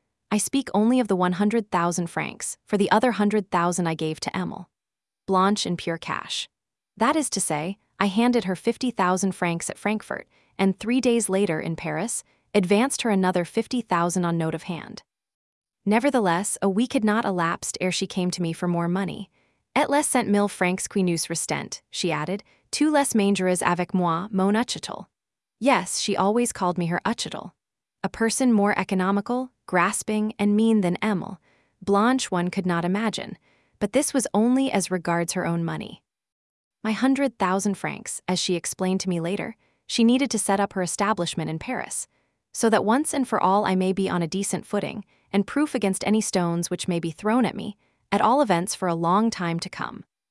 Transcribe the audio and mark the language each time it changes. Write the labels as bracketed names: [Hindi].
[English] I speak only of the 100,000 francs, for the other 100,000 I gave to Emil Blanche in pure cash. That is to say, I handed her 50,000 francs at Frankfurt, and 3 days later in Paris, advanced her another 50,000 on note of hand. Nevertheless, a week had not elapsed ere she came to me for more money. [French] Et les 100,000 francs qui nous restent, [English] she added, [French] tu les mangeras avec moi, mon uchitel. [English] Yes, she always called me her uchitel. A person more economical, grasping, and mean than Emil Blanche one could not imagine, but this was only as regards her own money. My 100,000 francs, as she explained to me later, she needed to set up her establishment in Paris, so that once and for all I may be on a decent footing, and proof against any stones which may be thrown at me, at all events for a long time to come.